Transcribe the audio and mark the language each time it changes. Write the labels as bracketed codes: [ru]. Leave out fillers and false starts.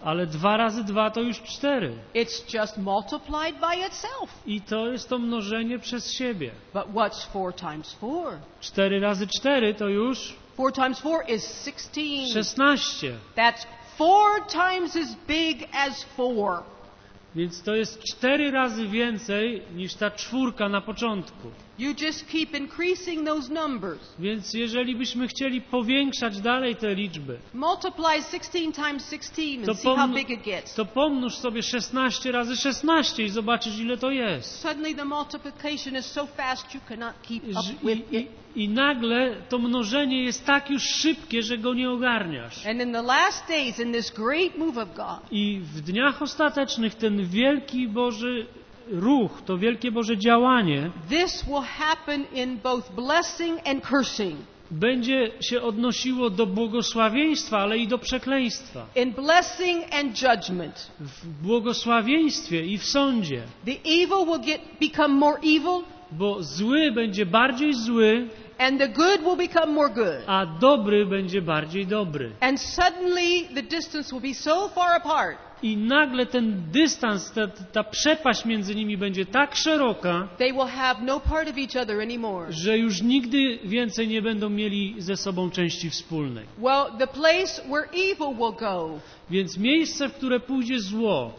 [pl] Ale dwa razy dwa to już cztery. [en] It's just multiplied by itself. [pl] I to jest to mnożenie przez siebie. [en] But what's four times four? [pl] Cztery razy cztery to już? [en] Four times four is 16. [pl] 16. [en] That's four times as big as four. [pl] Więc to jest cztery razy więcej niż ta czwórka na początku. [en] You just keep increasing those numbers. [pl] Więc jeżeli byśmy chcieli powiększać dalej te liczby, [en] multiply 16 times 16 and see how big it gets. [pl] To pomnóż sobie 16 razy 16 i zobaczysz, ile to jest. [en] Suddenly the multiplication is so fast you cannot keep up with it. [pl] I nagle to mnożenie jest tak już szybkie, że go nie ogarniasz. [en] And in the last days, in this great move of God. [pl] I w dniach ostatecznych ten wielki Boży ruch, to wielkie Boże działanie, [en] this will happen in both blessing and cursing. [pl] Będzie się odnosiło do błogosławieństwa, ale i do przekleństwa. [en] In blessing and judgment. [pl] W błogosławieństwie i w sądzie. [en] The evil will become more evil. [pl] Bo zły będzie bardziej zły, [en] and the good will become more good. [pl] A dobry będzie bardziej dobry. [en] And suddenly the distance will be so far apart. [pl] I nagle ten dystans, ta przepaść między nimi będzie tak szeroka, [en] they will have no part of each other anymore. [pl] Że już nigdy więcej nie będą mieli ze sobą części wspólnej. [en] Well, the place where evil will go, [pl] więc miejsce, w które pójdzie zło,